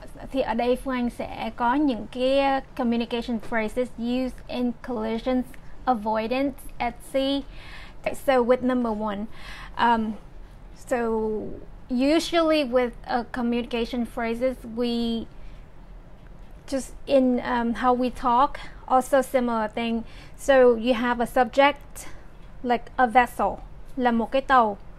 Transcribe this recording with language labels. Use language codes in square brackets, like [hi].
[vi] Thì ở đây Phương Anh sẽ có những cái [en] communication phrases used in collisions avoidance at sea. So with number one, so usually with communication phrases, we just in how we talk, also similar thing. So you have a subject like a vessel, [vi] là một cái tàu.